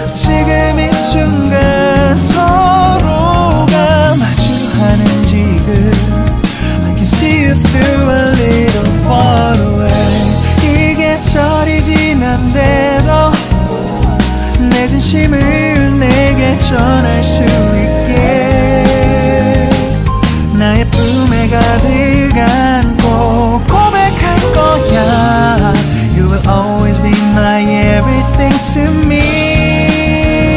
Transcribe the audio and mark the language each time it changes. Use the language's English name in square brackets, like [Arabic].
[Korean] 지금 이 순간 서로가 마주하는 지금. [English] I can see you through a little far away. [Korean] 이 계절이 지난대로 진심을 내게 전할 수 있게. 나의 품에 가득 안고 고백할 거야. [English] You will always be my everything to me.